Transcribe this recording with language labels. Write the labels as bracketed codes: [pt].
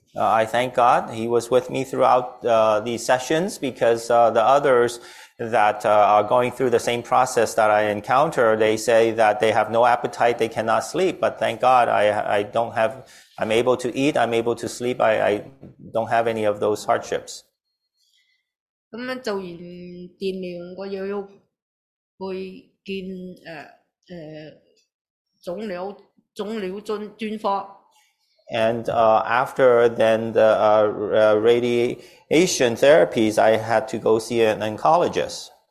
[en] I thank God he was with me throughout these sessions because the others that are going through the same process that I encounter, they say that they have no appetite, they cannot sleep. But thank God I'm able to eat, I'm able to sleep, I don't have any of those hardships. [yue] 咁樣做完電療，我又要去見腫瘤專科。 [en] And after then the radiation therapies, I had to go see an oncologist.